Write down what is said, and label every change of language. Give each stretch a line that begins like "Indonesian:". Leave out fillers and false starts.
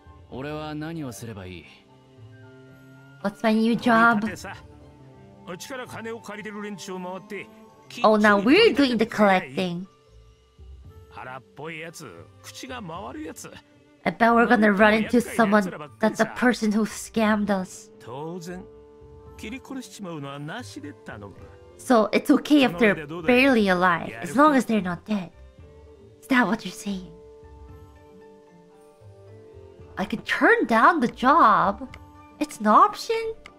Japanese: 俺は何をすればいい。
English: What's my new job?
Japanese: うちから金を借りてる連中を回って。
English: Oh, now we're doing the collecting.
Japanese: 腹っぽいやつ、口が回るやつ。
English: I bet we're gonna run into someone that's a person who scammed us.
Japanese: 当然、切り殺しちまうのはなしで頼む。
English: So it's okay if they're barely alive, as long as they're not dead. Is that what you're saying? I could turn down the job. It's an option.